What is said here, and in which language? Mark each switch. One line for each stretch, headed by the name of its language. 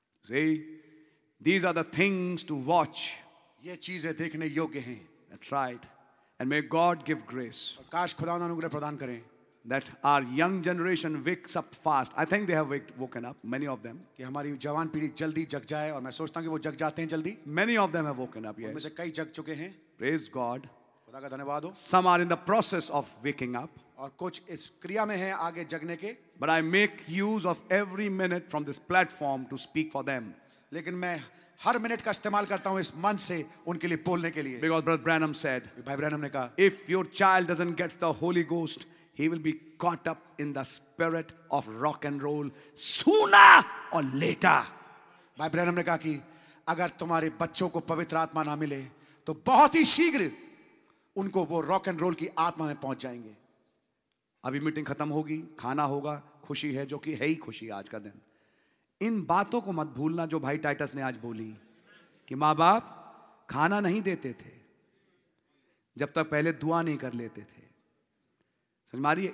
English: See, these are the things to watch.
Hindi: ये चीजें देखने योग्य हैं.
English: That's right. And may God give grace.
Hindi: काश खुदा अनुग्रह प्रदान करें.
English: That our young generation wakes up fast. I think they have woken up, many of them.
Hindi: कि हमारी जवान पीढ़ी जल्दी जग जाए और मैं सोचता हूँ कि वो जग जाते हैं जल्दी.
English: Many of them have woken up.
Hindi: उनमें से कई जग चुके हैं.
English: Praise God.
Hindi: खुदा का धन्यवाद हो.
English: Some are in the process of waking up.
Hindi: और कुछ इस क्रिया में हैं आगे जगने के.
English: But I make use of every minute from this platform to speak for them.
Hindi: लेकिन मैं हर मिनट का इस्तेमाल करता हूं इस मंच से उनके लिए बोलने के लिए.
English: Because Brother Branham said,
Hindi: भाई ब्रैनम ने कहा,
English: if your child doesn't get the Holy Ghost, he will be caught up in the spirit of rock and roll sooner or later.
Hindi: भाई ब्रैनम ने कहा कि अगर तुम्हारे बच्चों को पवित्र आत्मा ना मिले तो बहुत ही शीघ्र उनको वो रॉक एंड रोल की आत्मा में पहुंच जाएंगे. अभी मीटिंग खत्म होगी, खाना होगा, खुशी है जो कि है ही खुशी आज का दिन. इन बातों को मत भूलना जो भाई टाइटस ने आज बोली कि माँ बाप खाना नहीं देते थे जब तक पहले दुआ नहीं कर लेते थे. समझ में आ रही है?